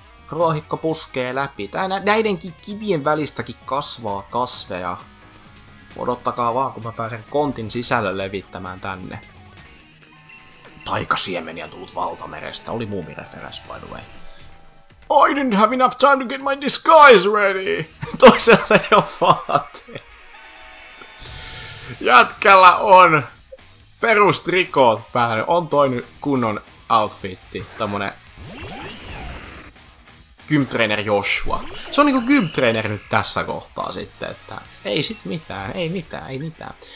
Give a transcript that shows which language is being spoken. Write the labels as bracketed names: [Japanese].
[Finnish] Ruohikko puskee läpi. Tää näidenkin kivien välistäkin kasvaa kasveja. Odottakaa vaan, kun mä pääsen kontin sisälle levittämään tänne. Taikasiemeniä tullut valtamerestä, oli muumireferens [English] by the way. I didn't have enough time to get my disguise ready! [Finnish] Toisella ei oo vaate. Jätkällä on perustrikoot päälle. On toi nyt kunnon outfitti. Tämmönen... Gymtrainer Joshua. Se on niinku gymtrainer nyt tässä kohtaa sitten, että... Ei sit mitään, ei mitään.